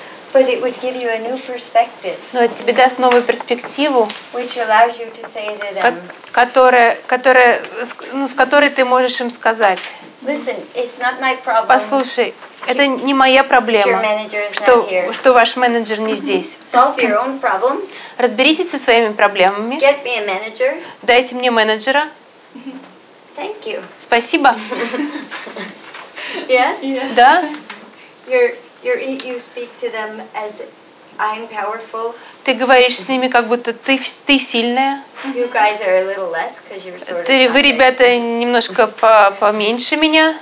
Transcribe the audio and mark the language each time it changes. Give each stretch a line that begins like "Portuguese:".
English: But it would give you a new perspective.
Russian: Но это тебе даст новую перспективу,
English: which allows you to say to them.
Russian: С которой ты можешь им сказать.
English: Listen, it's not my problem.
Russian: Послушай, это не моя проблема, что ваш менеджер не здесь.
English: Solve your own problems.
Russian: Разберитесь со своими проблемами.
English: Get me a manager.
Russian: Дайте мне менеджера.
English: Thank you.
Russian: Спасибо.
English: Yes? Yes.
Russian: Да?
English: You speak to them as I'm powerful.
Russian: Ты говоришь с ними, как будто ты сильная.
English: You guys are a little less, because you're sort of.
Russian: Вы, ребята, немножко поменьше меня.